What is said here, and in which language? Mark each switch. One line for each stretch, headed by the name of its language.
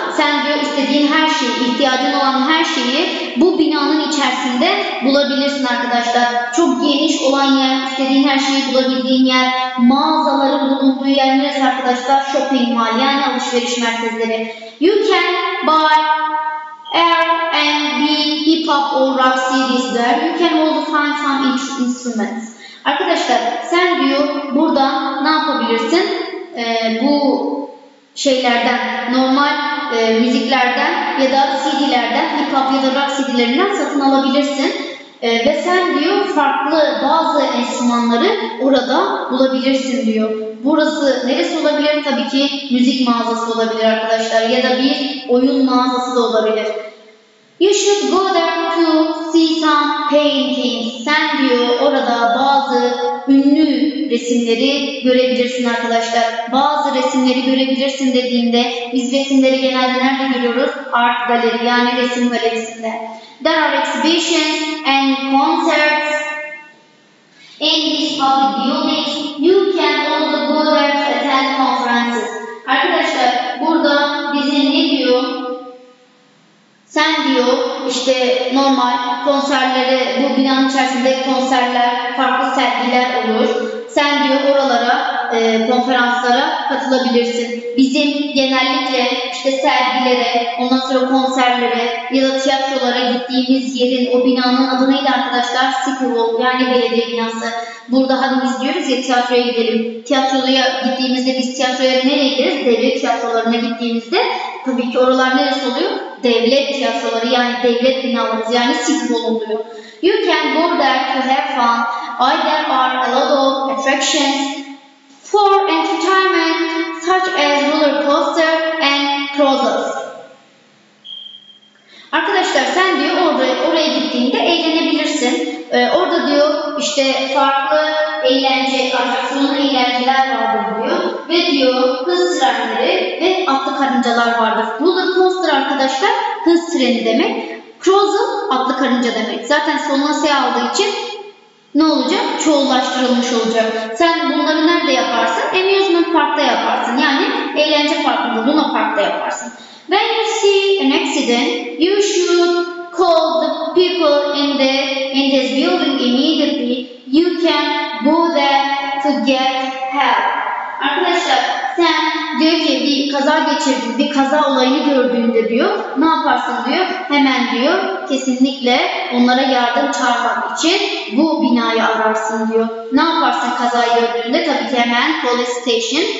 Turkish: Sen diyor istediğin her şeyi, ihtiyacın olan her şeyi bu binanın içerisinde bulabilirsin arkadaşlar. Çok geniş olan yer, istediğin her şeyi bulabildiğin yer, mağazaların bulunduğu yer neresi arkadaşlar? Shopping mall yani alışveriş merkezleri.
English: You can buy R&B, hip hop or rock CDs there. You can also find some instruments.
Turkish: Arkadaşlar sen diyor burada ne yapabilirsin? Bu şeylerden, normal müziklerden ya da CD'lerden, hip hop ya da rock CD'lerinden satın alabilirsin. Ve sen diyor farklı bazı enstrümanları orada bulabilirsin diyor. Burası neresi olabilir? Tabii ki müzik mağazası olabilir arkadaşlar ya da bir oyun mağazası da olabilir.
English: You should go there to see some paintings.
Turkish: Sen diyor orada bazı ünlü resimleri görebilirsin arkadaşlar. Bazı resimleri görebilirsin dediğinde biz resimleri genelde nerede görüyoruz? Art galeri yani resim galerisinde.
English: There are exhibitions and concerts in these public buildings. You can also go there to attend conferences.
Turkish: Arkadaşlar burada bize ne diyor? Sen diyor işte normal konserlere, bu binanın içerisinde konserler, farklı sergiler olur. Sen diyor oralara, konferanslara katılabilirsin. Bizim genellikle işte sergilere, ondan sonra konserlere ya da tiyatrolara gittiğimiz yerin o binanın adı neydi arkadaşlar? City Hall yani belediye binası. Burada hani biz diyoruz ya tiyatroya gidelim. Tiyatroya gittiğimizde biz tiyatroya nereye gideriz? Devlet tiyatrolarına gittiğimizde tabii ki oralar neresi oluyor? Devlet tiyatroları yani devlet binalarımız yani City Hall oluyor.
English: You can go there to have fun. There are a lot of attractions for entertainment such as roller coaster and cruises.
Turkish: Arkadaşlar sen diyor oraya gittiğinde eğlenebilirsin. Orada diyor işte farklı eğlence, atraksiyonlu eğlenceler vardır diyor. Ve diyor hız trenleri ve atlı karıncalar vardır. Roller coaster arkadaşlar hız treni demek. Cruiser atlı karınca demek. Zaten sonuna S aldığı için ne olacak? Çoğullaştırılmış olacak. Sen bunları nerede yaparsın? Amusement park'ta yaparsın. Yani eğlence parkında, Luna park'ta yaparsın.
English: When you see accident, you should call the people in this building immediately. You can go there to get help.
Turkish: Arkadaşlar, sen diyor ki bir kaza geçirdin, bir kaza olayını gördüğünde diyor, ne yaparsın diyor, hemen diyor, kesinlikle onlara yardım çağırmak için bu binayı ararsın diyor. Ne yaparsın kaza gördüğünde? Tabii ki hemen police station.